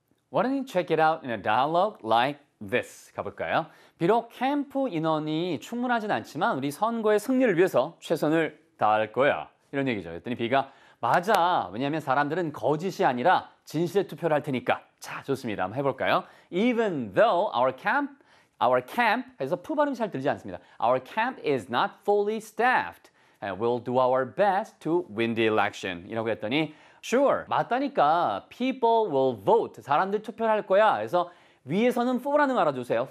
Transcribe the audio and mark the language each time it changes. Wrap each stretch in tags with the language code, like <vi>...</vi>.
<en>Why don't you check it out in a dialogue like this?</en> <ko>가볼까요? 비록 캠프 인원이 충분하진 않지만 우리 선거의 승리를 위해서 최선을 다할 거야. 이런 얘기죠. 그랬더니 B가 맞아. 왜냐하면 사람들은 거짓이 아니라 진실의 투표를 할 테니까. 자, 좋습니다. 한번 해볼까요?</ko> <en>Even though our camp,</en> <ko>해서 푸 발음이 잘 들지 않습니다.</ko> <en>Our camp is not fully staffed. We'll do our best to win the election.</en> <ko>이라고 했더니 Sure. 맞다니까.</ko> <en>People will vote.</en> <ko>사람들 투표를 할 거야. 그래서 위에서는 for라는 말 알아주세요.</ko>